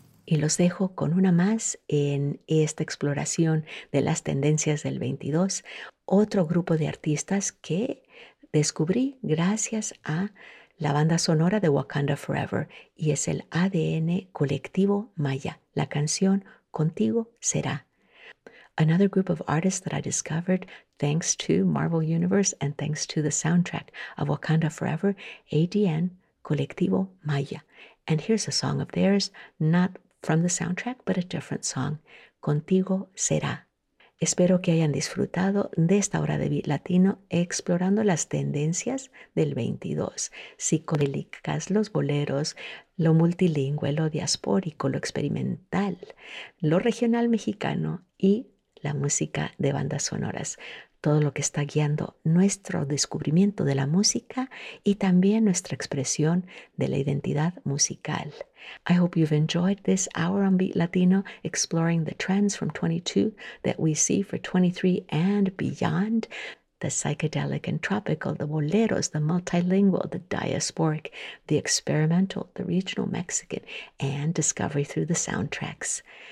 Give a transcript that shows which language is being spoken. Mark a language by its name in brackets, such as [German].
[Spanish] Y los dejo con una más en esta exploración de las tendencias del 22, otro grupo de artistas que descubrí gracias a la banda sonora de Wakanda Forever, y es el ADN colectivo maya. La canción Contigo Será. [English] Another group of artists that I discovered thanks to Marvel Universe and thanks to the soundtrack of Wakanda Forever, ADN colectivo maya. And here's a song of theirs, not from the soundtrack, but a different song, Contigo Será. [Spanish] Espero que hayan disfrutado de esta hora de Beat Latino explorando las tendencias del 22, psicodélicas, los boleros, lo multilingüe, lo diaspórico, lo experimental, lo regional mexicano y la música de bandas sonoras. Todo lo que está guiando nuestro descubrimiento de la música y también nuestra expresión de la identidad musical. [English] I hope you've enjoyed this hour on Beat Latino, exploring the trends from 22 that we see for 23 and beyond. The psychedelic and tropical, the boleros, the multilingual, the diasporic, the experimental, the regional Mexican, and discovery through the soundtracks.